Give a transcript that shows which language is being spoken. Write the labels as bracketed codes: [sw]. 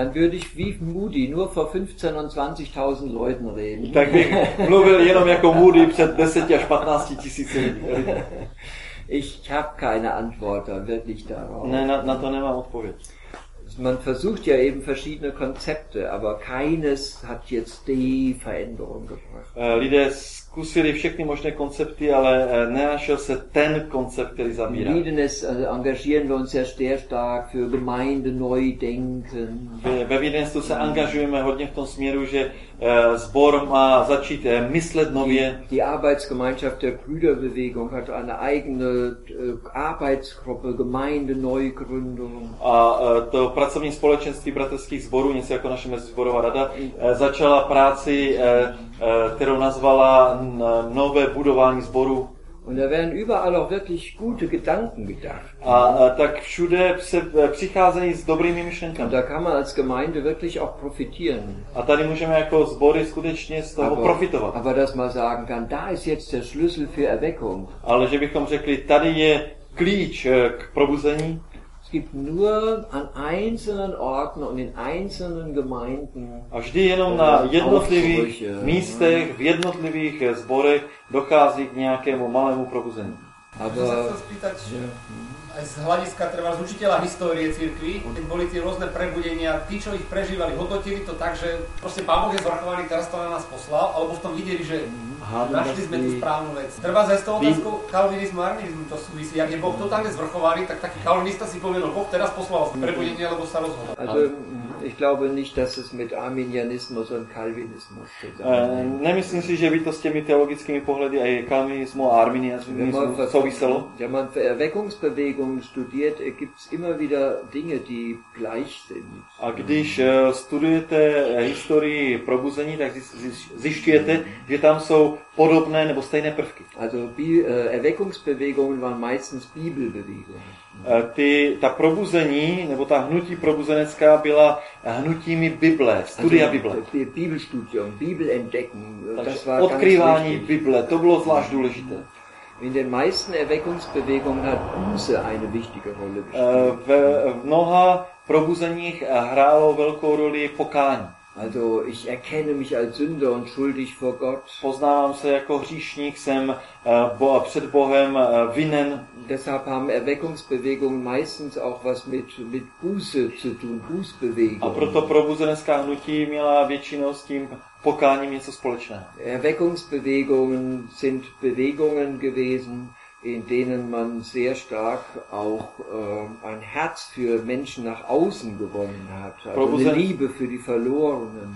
[de] dann würde ich wie Moody nur vor 15 und 20.000 Leuten reden. [cs] Tak bych mluvil jenom jako Moody před 10 až 15 tisíci lidí. [de] Ich habe keine Antwort wirklich darauf. Nein, [cs] na to nemám odpověď. [de] Man versucht ja eben verschiedene Konzepte, aber keines hat jetzt die Veränderung gebracht. [cs] Lidé zkusili všechny možné koncepty, ale nenašel se ten koncept, který zabírá. [de] Vídenes engagieren wir uns ja sehr stark für Gemeindeneudenken. [cs] Ve Vídenesu se angažujeme hodně v tom směru, že sbor má začít myslet nově. [de] Die Arbeitsgemeinschaft der Brüderbewegung hat eine eigene Arbeitsgruppe Gemeindeneugründung. [cs] A to pracovní společenství bratrských sborů, něco jako naše mezisborová rada, začala práci, kterou nazvala nové budování sboru. [de] Und da werden überall auch wirklich gute Gedanken gedacht. [cs] A tak všude se přicházejí s dobrými myšlenkami. [de] Da kann man als Gemeinde wirklich auch profitieren. [cs] A tady můžeme jako sbory skutečně z toho profitovat. [de] Aber dass man sagen kann, da ist jetzt der Schlüssel für Erweckung. [cs] Ale že bychom řekli, tady je klíč k probuzení. [de] Es gibt nur an einzelnen Orten und in einzelnen Gemeinden. [cs] A vždy jenom na jednotlivých místech, v jednotlivých sborech dochází k nějakému malému probuzení. [de] Aber [sk] z hlediska třeba z učitela historie církví, keď boli tie rôzne prebudenia, tí, čo ich prežívali, hodnotili to tak, že proste Pán Boh je zvrchovaný, teraz to na nás poslal, alebo v tom videli, že našli sme tú správnu vec. Treba zase tou otázkou kalvinizmu a arminizmu to súvisí. Ak je Boh totálne zvrchovaný, tak taký kalvinista si povedal, Boh teraz poslal prebudenie, lebo sa rozhodol. [de] Ich glaube nicht, dass es mit Arminianismus und Calvinismus zusammenhängt. [cs] Nemyslím si, že by to s těmi teologickými pohledy aj Calvinismu a Arminianismu souviselo. [de] Wenn man Erweckungsbewegung studiert, gibt es immer wieder Dinge, die gleich sind. [cs] A když studujete historii probuzení, tak zjišťujete, že tam jsou podobné nebo stejné prvky. [de] Also Erweckungsbewegungen waren meistens Bibelbewegungen. [cs] Ta probuzení nebo ta hnutí probuzenecká byla hnutími Bible, studia Bible. [de] Bibelstudium, Bibelentdecken, das war [cs] odkrývání Bible, to bylo zvlášť důležité. [de] In den meisten Erweckungsbewegungen hat Buße eine wichtige Rolle gespielt. [cs] V mnoha probuzeních hrálo velkou roli pokání. [de] Also ich erkenne mich als Sünder und schuldig vor Gott. [cs] Poznávám se jako hříšník, jsem před Bohem vinen. [de] Deshalb haben Erweckungsbewegungen meistens auch was mit Buße zu tun, Bußbewegung. [cs] A proto probuzenská hnutí měla většinou s tím pokáním něco společného. [de] Erweckungsbewegungen sind Bewegungen gewesen, in denen man sehr stark auch ein Herz für Menschen nach außen gewonnen hat, also eine Liebe für die Verlorenen.